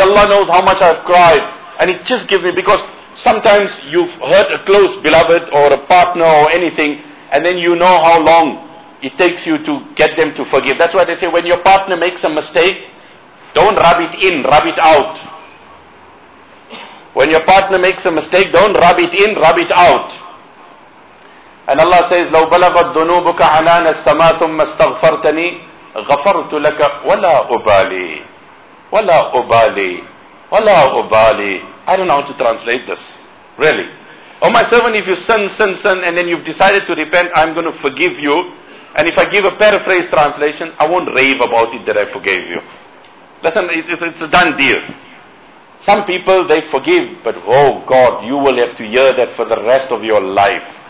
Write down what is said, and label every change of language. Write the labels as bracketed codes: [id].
[en] Allah knows how much I've cried. And it just gives me, because sometimes you've hurt a close beloved or a partner or anything, and then you know how long it takes you to get them to forgive. That's why they say when your partner makes a mistake, Don't rub it in, rub it out. When your partner makes a mistake, don't rub it in, rub it out. And Allah says, [ar] لَوْ بَلَغَتْ ذُنُوبُكَ عَنَانَ السَّمَاءَ ثُمَّ اسْتَغْفَرْتَنِي غَفَرْتُ لَكَ وَلَا أُبَالِي وَلَا أُبَالِي وَلَا أُبَالِي. [en] I don't know how to translate this, really. Oh my servant, if you sin, and then you've decided to repent, I'm going to forgive you. And if I give a paraphrase translation, I won't rave about it that I forgave you. Listen, it's a done deal. Some people, they forgive, but oh God, you will have to hear that for the rest of your life.